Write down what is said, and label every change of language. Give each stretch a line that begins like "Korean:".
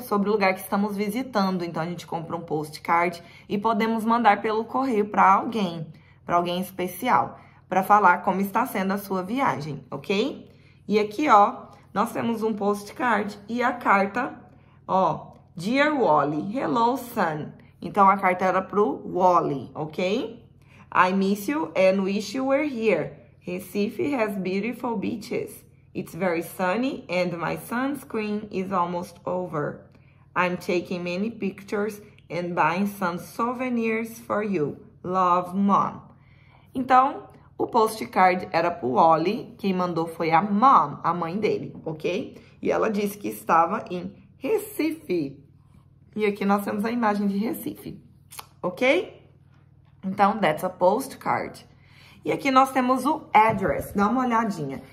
Portuguese: Sobre o lugar que estamos visitando. Então a gente compra um postcard e podemos mandar pelo correio para alguém especial, para falar como está sendo a sua viagem, ok? E aqui, ó. Nós temos um postcard e a carta, ó,
English: Dear Wally, Hello Sun.
Portuguese: Então a carta era pro Wally, ok?
English: I miss you and wish you were here. Recife has beautiful beaches. It's very sunny and my sunscreen is almost over. I'm taking many pictures and buying some souvenirs for you. Love, Mom.
Portuguese: Então, o postcard era pro Wally, quem mandou foi a mom, a mãe dele, ok? E ela disse que estava em Recife. E aqui nós temos a imagem de Recife, ok? Então,
English: that's a postcard.
Portuguese: E aqui nós temos o address, dá uma olhadinha.